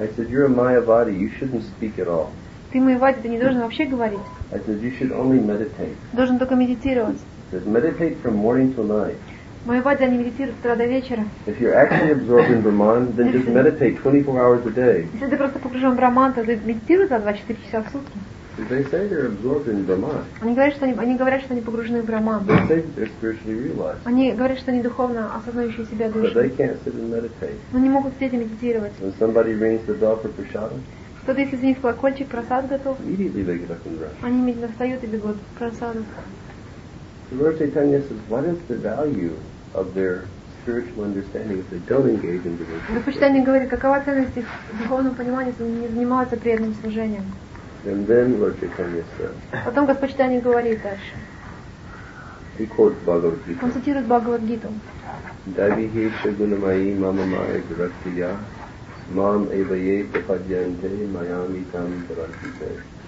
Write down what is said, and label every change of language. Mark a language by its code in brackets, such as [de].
[en] I said, you're a Mayavadi, you shouldn't speak at all. [ru] Ты Майявади, ты не должен вообще говорить. [en] I said, you should only meditate. [ru] Должен только медитировать. [en] I said, meditate from morning till night. [ru] Майявади, они медитируют с утра до вечера. [en] If you're actually absorbed in Brahman, then just meditate 24 hours a day. [ru] Если ты просто погружен в Брахман, то ты медитируй за 24 часа в сутки. [en] Did they say they're absorbed in Brahman? [ru] Они говорят, что они погружены в Брахман. [en] They say that they're spiritually realized. [ru] Они говорят, что они духовно осознающие себя души. [en] But they can't sit and meditate. [ru] Но не могут сидеть и медитировать. [en] When somebody rings the bell for prasadam. [ru] Кто-то, если звонит колокольчик, прасад готов. [en] Immediately they get up and rush. [ru] Они медленно встают и бегут к прасаду. [en] The Lord Chaitanya says, what is the value of their spiritual understanding if they don't engage in devotional? [ru] Лорд Чайтанья говорит, какова ценность их духовного понимания, если они не занимаются преданным служением? [en] And then Lord Chaitanya said. [ru] Потом Господь Чайтанья говорит дальше. [en] He quotes Bhagavad Gita. [ru] Он цитирует Бхагавад Гиту. [sa] Давихи шагунамаи мама мая гратия мам эвае пападьянте майами там гратите.